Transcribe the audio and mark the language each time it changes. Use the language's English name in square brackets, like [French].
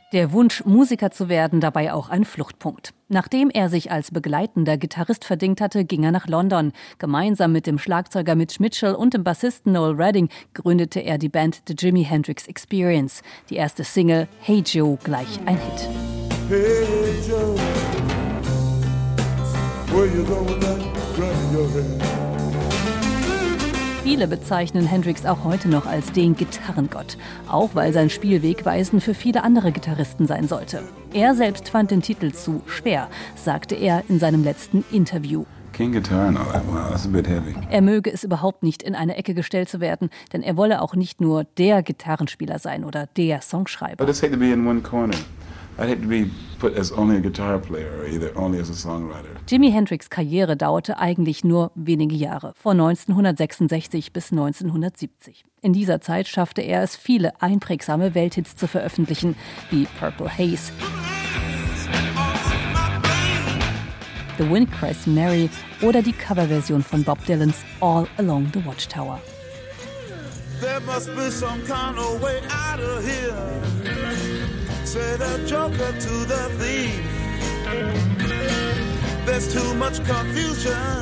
[German] Der Wunsch, Musiker zu werden, dabei auch ein Fluchtpunkt. Nachdem er sich als begleitender Gitarrist verdingt hatte, ging er nach London. Gemeinsam mit dem Schlagzeuger Mitch Mitchell und dem Bassisten Noel Redding gründete er die Band The Jimi Hendrix Experience. Die erste Single, Hey Joe, gleich ein Hit. [English] Hey Joe, where you going running your head? [German] Viele bezeichnen Hendrix auch heute noch als den Gitarrengott, auch weil sein Spiel wegweisend für viele andere Gitarristen sein sollte. Er selbst fand den Titel zu schwer, sagte er in seinem letzten Interview. [English] King Guitar, no, that's a bit heavy. [German] Er möge es überhaupt nicht in eine Ecke gestellt zu werden, denn er wolle auch nicht nur der Gitarrenspieler sein oder der Songschreiber. [English] I just hate to be in one corner. I'd hate to be put as only a guitar player or either only as a songwriter. [German] Jimi Hendrix Karriere dauerte eigentlich nur wenige Jahre, von 1966 bis 1970. In dieser Zeit schaffte er es, viele einprägsame Welthits zu veröffentlichen, wie Purple Haze, The Wind Cries Mary oder die Coverversion von Bob Dylans All Along the Watchtower. [English] There must be some kind of way out of here. Say the joker to the thief. There's too much confusion.